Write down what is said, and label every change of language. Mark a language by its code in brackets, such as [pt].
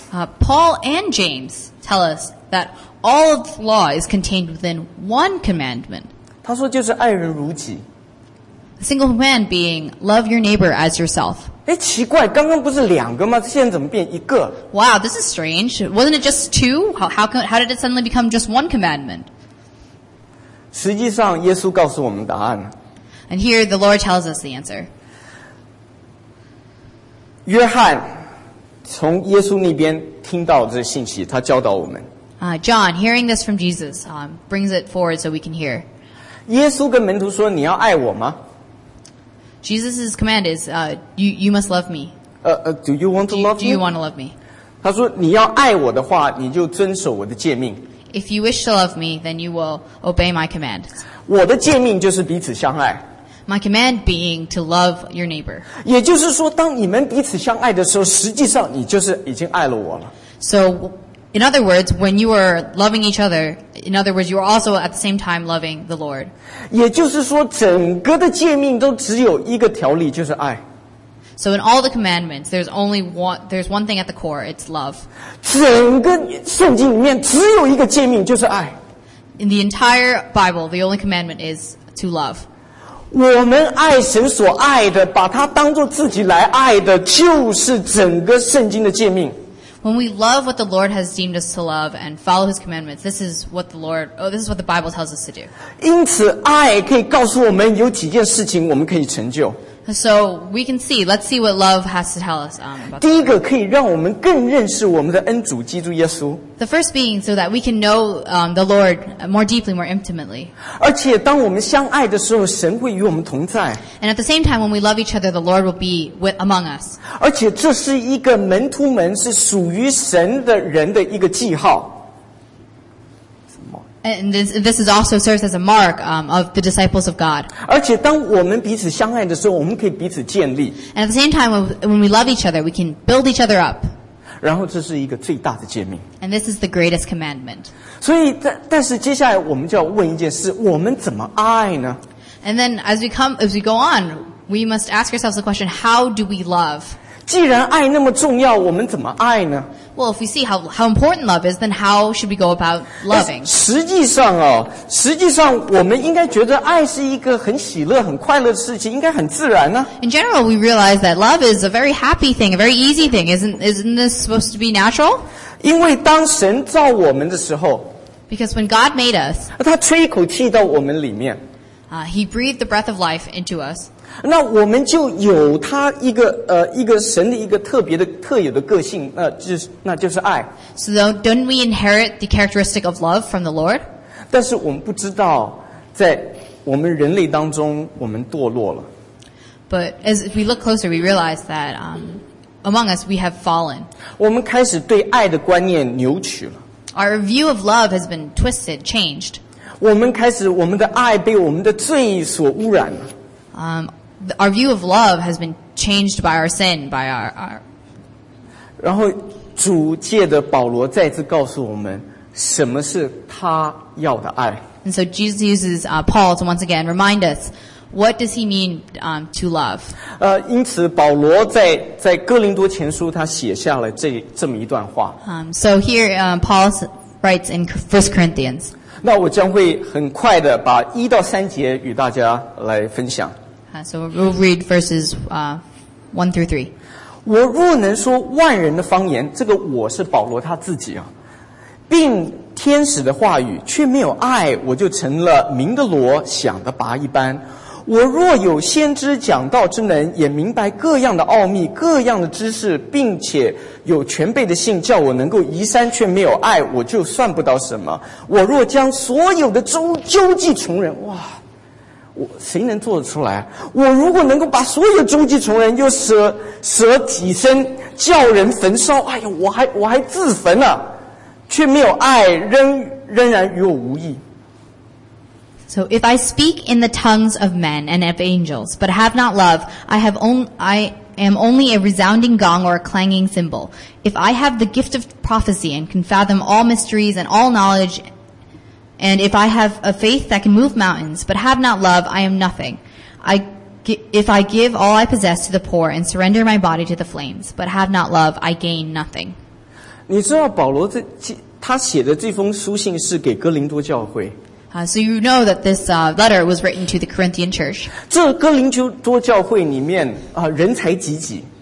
[en] Paul and James tell us that all of the law is contained within one commandment. [zh] 他说就是爱人如己。 [en] The single man being love your neighbor as yourself. [zh] 诶，奇怪，刚刚不是两个吗？现在怎么变一个？ [en] Wow, this is strange. Wasn't it just two? How did it suddenly become just one commandment? [zh] 实际上耶稣告诉我们答案。 [en] And here the Lord tells us the answer. [zh] 约翰从耶稣那边听到这信息，他教导我们。 [en] John, hearing this from Jesus, brings it forward so we can hear. [zh] 耶稣跟门徒说你要爱我吗？ [en] Jesus' command is, you must love me. Do you want to love me? Do you want to love me? [zh] 他说你要爱我的话，你就遵守我的诫命。 [en] If you wish to love me, then you will obey my command. [zh] 我的诫命就是彼此相爱。 [en] My command being to love your neighbor. [zh] 也就是说，当你们彼此相爱的时候，实际上你就是已经爱了我了。 [en] So, in other words, when you are loving each other, in other words, you are also at the same time loving the Lord. [zh] 也就是说，整个的诫命都只有一个条例，就是爱。 [en] So in all the commandments, there's only one, there's one thing at the core, it's love. [zh] 整个圣经里面只有一个诫命就是爱。 [en] In the entire Bible, the only commandment is to love. [zh] 我们爱神所爱的，把它当作自己来爱的，就是整个圣经的诫命。 [en] When we love what the Lord has deemed us to love and follow His commandments, this is what the Lord, oh, this is what the Bible tells us to do. [zh] 因此爱可以告诉我们有几件事情我们可以成就。 [en] So we can see. Let's see what love has to tell us. About [zh] 第一个可以让我们更认识我们的恩主基督耶稣。 [en] The first being so that we can know the Lord more deeply, more intimately. [zh] 而且当我们相爱的时候，神会与我们同在。 [en] And at the same time, when we love each other, the Lord will be with among us. [zh] 而且这是一个门徒们是属于神的人的一个记号。 [en] And this is also serves as a mark of the disciples of God. [zh] 而且当我们彼此相爱的时候，我们可以彼此建立。 [en] And at the same time, when we love each other, we can build each other up. [zh] 然后这是一个最大的诫命。 [en] And this is the greatest commandment. [zh] 所以但是接下来我们就要问一件事，我们怎么爱呢？ [en] And then as we go on, we must ask ourselves the question, how do we love? [zh] 既然爱那么重要，我们怎么爱呢？ [en] Well, if we see how important love is, then how should we go about loving? [zh] 实际上哦，实际上我们应该觉得爱是一个很喜乐、很快乐的事情，应该很自然呢。 [en] In general, we realize that love is a very happy thing, a very easy thing. Isn't this supposed to be natural? [zh] 因为当神造我们的时候 [en] ，Because when God made us, [zh] 他吹一口气到我们里面 [en] ，He breathed the breath of life into us. [zh] 那我们就有他一个神的一个特别的特有的个性，那就是爱。 [en] So don't we inherit the characteristic of love from the Lord? [zh] 但是我们不知道，在我们人类当中，我们堕落了。 [en] But as we look closer, we realize that among us we have fallen. [zh] 我们开始对爱的观念扭曲了。 [en] Our view of love has been twisted, changed. [zh] 我们开始我们的爱被我们的罪所污染了。 [en] Our view of love has been changed by our sin, by our. [zh] 然后主借着保罗再次告诉我们什么是他要的爱。 [en] And so Jesus uses Paul to once again remind us, what does he mean to love? [zh] 因此保罗在哥林多前书他写下了这么一段话。 [en] So here Paul writes in 1 Corinthians. [zh] 那我将会很快的把一到三节与大家来分享。 [en] So we'll read verses 1-3. [zh] 我若能说万人的方言，这个我是保罗他自己啊，并天使的话语，却没有爱，我就成了鸣的锣响的拔一般。我若有先知讲道之能，也明白各样的奥秘各样的知识，并且有全备的信，叫我能够移山，却没有爱，我就算不到什么。我若将所有的周济穷人，哇，谁能做得出来？我如果能够把所有终极穷人又舍己身叫人焚烧，哎呦，我还自焚了，却没有爱，仍然与我无益。 [en] So if I speak in the tongues of men and of angels, but have not love, I am only a resounding gong or a clanging cymbal. If I have the gift of prophecy and can fathom all mysteries and all knowledge. And if I have a faith that can move mountains, but have not love, I am nothing. If I give all I possess to the poor and surrender my body to the flames, but have not love, I gain nothing. [zh] 你知道保罗他写的这封书信是给哥林多教会。 [en] So you know that this letter was written to the Corinthian church. [zh] 这哥林多教会里面人才济济。